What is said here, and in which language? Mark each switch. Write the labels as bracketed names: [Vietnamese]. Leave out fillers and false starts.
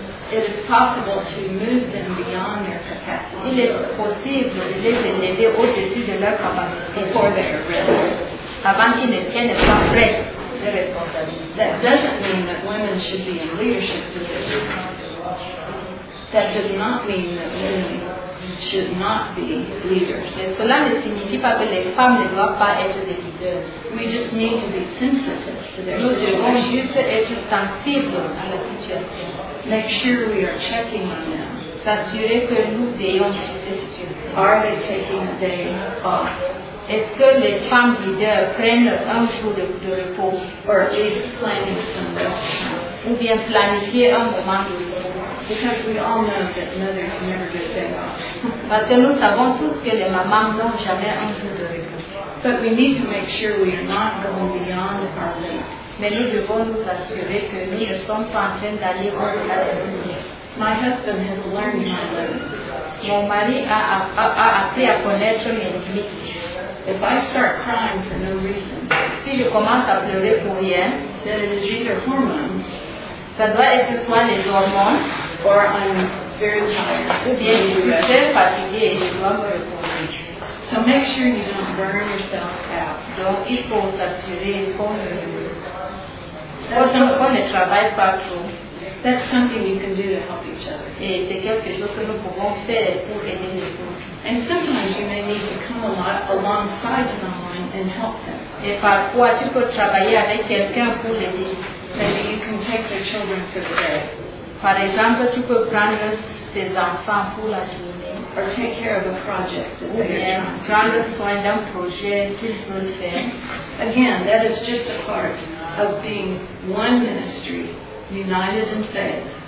[English] It is possible to move them beyond their capacity. [French] Il est possible de les élever au-dessus de leur capacité. [English] Before they are ready. [French] Avant qu'ils ne prennent pas prêt de responsabilité. [English] That doesn't mean that women should be in leadership positions. That does not mean that women should not be leaders. [French] Et cela ne signifie pas que les femmes ne doivent pas être des leaders. [English] We just need to be sensitive to their situation. [French] Nous devons juste être sensibles à la situation. [English] Make sure we are checking on them. [French] S'assurer que nous veillons sur ces situations. [English] Are they taking a day off? [French] Est-ce que les femmes leaders prennent un jour de repos? [English] Or at least planning some rest? [French] Ou bien planifier un moment de repos? [English] Because we all know that mothers never get day off. [French] Parce que nous savons tous que les mamans n'ont jamais un jour de repos. [English] But we need to make sure we are not going beyond our limits. [French] Mais nous devons nous assurer que nous ne sommes pas en train d'aller au-delà de nos limites. [English] My husband has learned my limits. [French] Mon mari a appris à connaître mes limites. [English] If I start crying for no reason, [French] si je commence à pleurer pour rien, [English] then it is either hormones, [French] ça doit être soit les hormones, [English] or I'm very tired. [French] Ou bien je suis très fatiguée et je dois me reposer. [English] So make sure you don't burn yourself out. [French] Donc il faut s'assurer qu'on ne travaille pas trop. [English] That's something you can do to help each other. [French] Et c'est quelque chose que nous pouvons faire pour aider les autres. [English] And sometimes you may need to come alongside someone and help them. [French] Et parfois tu peux travailler avec quelqu'un pour l'aider. [English] Maybe you can take their children for the day. [French] Par exemple, tu peux prendre tes enfants pour la journée. [English] Or take care of a project. [French] Ou bien prendre soin d'un projet qu'ils veulent faire. [English] Again, that is just a part of being one ministry, united in faith.